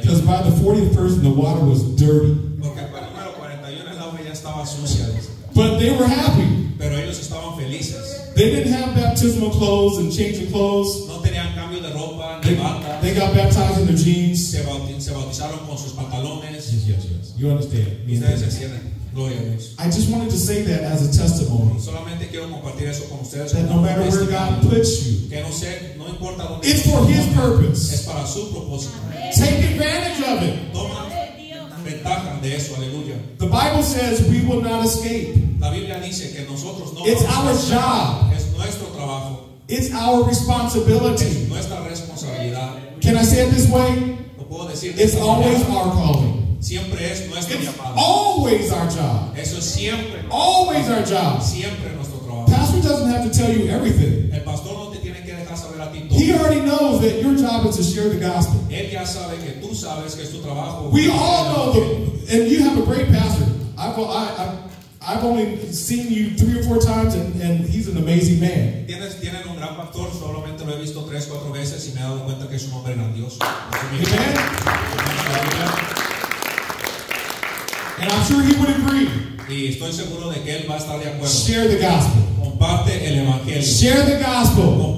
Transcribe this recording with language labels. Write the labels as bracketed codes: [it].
[en] Because by the 40th person, the water was dirty. [es] Porque para el número 41 el agua ya estaba sucia, dice. [en] But they were happy. [es] Pero ellos estaban felices. [en] They didn't have baptismal clothes and change of clothes. [es] No tenían cambio de ropa, ni bata. [en] They got baptized in their jeans. [es] Se bautizaron con sus pantalones. [en] Yes. You understand. [es] Ustedes entienden. Gloria a Dios. [en] I just wanted to say that as a testimony. [es] Solamente quiero compartir eso con ustedes. [en] That no matter where God puts you. [es] Que no sé, no importa dónde. [en] It's for his purpose. [es] Es para su propósito. [en] Take advantage of it. [es] Toma ventaja de eso. Aleluya. [en] The Bible says we will not escape. [es] La Biblia dice que nosotros no. [en] It's our job. [es] Es nuestro trabajo. [en] It's our responsibility. [es] Es nuestra responsabilidad. [en] Can I say it this way? [es] Lo puedo decir. [en] It's always our calling. [es] Siempre es nuestro [en] It's [es] llamado. [en] Always our job. [es] Eso siempre. [en] Always our job. [es] Siempre nuestro trabajo. [en] Pastor doesn't have to tell you everything. [es] El pastor no te tiene que dejar saber a ti todo. [en] He already knows that your job is to share the gospel. [es] Él ya sabe que tú sabes que es tu trabajo. [en] We all know the, and you have a great pastor. I've only seen you 3 or 4 times, and he's an amazing man. [es] Tienen un gran pastor. Solamente lo he visto 3 o 4 veces, y me he dado cuenta que es un hombre grandioso. [en] Amen. And I'm sure he would agree. [es] Y estoy seguro de que él va a estar de acuerdo. [en] Share the gospel. [es] Comparte el evangelio. [en] Share the gospel.